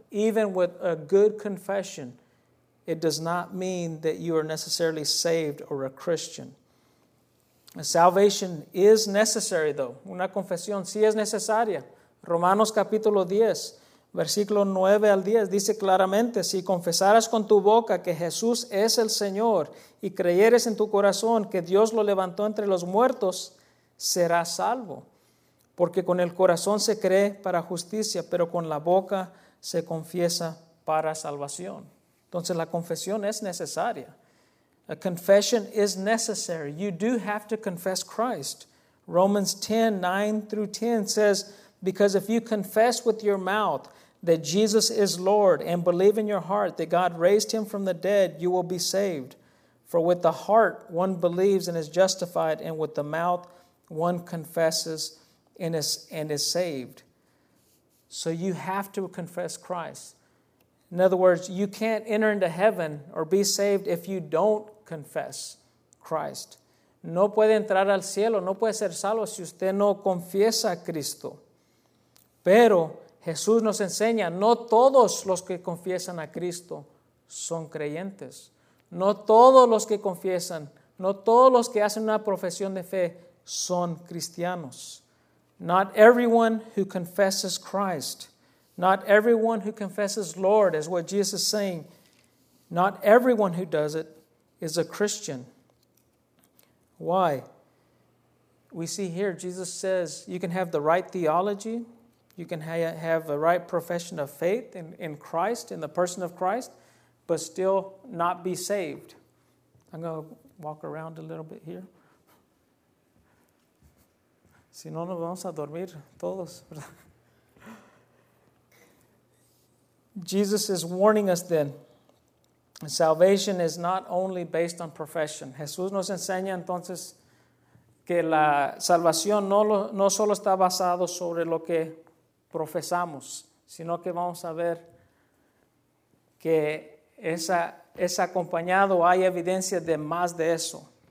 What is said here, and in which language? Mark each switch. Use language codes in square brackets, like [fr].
[en] Even with a good confession, it does not mean that you are necessarily saved or a Christian. Salvation is necessary, though. [es] Una confesión sí es necesaria. Romanos capítulo 10, versículo 9 al 10, dice claramente, si confesaras con tu boca que Jesús es el Señor y creyeres en tu corazón que Dios lo levantó entre los muertos, serás salvo, porque con el corazón se cree para justicia, pero con la boca se confiesa para salvación. Entonces la confesión es necesaria. [en] A confession is necessary. You do have to confess Christ. Romans 10, 9 through 10 says, because if you confess with your mouth that Jesus is Lord and believe in your heart that God raised him from the dead, you will be saved. For with the heart one believes and is justified, and with the mouth one confesses and is saved. So you have to confess Christ. In other words, you can't enter into heaven or be saved if you don't confess Christ. [es] No puede entrar al cielo, no puede ser salvo si usted no confiesa a Cristo. Pero Jesús nos enseña, no todos los que confiesan a Cristo son creyentes. No todos los que confiesan, no todos los que hacen una profesión de fe son cristianos. [en] Not everyone who confesses Christ, not everyone who confesses Lord is what Jesus is saying. Not everyone who does it is a Christian. Why? We see here Jesus says you can have the right theology, you can have the right profession of faith in Christ, in the person of Christ, but still not be saved. I'm going to walk around a little bit here. [es] Si no, nos vamos a dormir todos. [en] Jesus is warning us then. Salvation is not only based on profession. [es] Jesús nos enseña entonces que la salvación no solo está basado sobre lo que profesamos, sino que vamos a ver que es acompañado, hay evidencia de más de eso.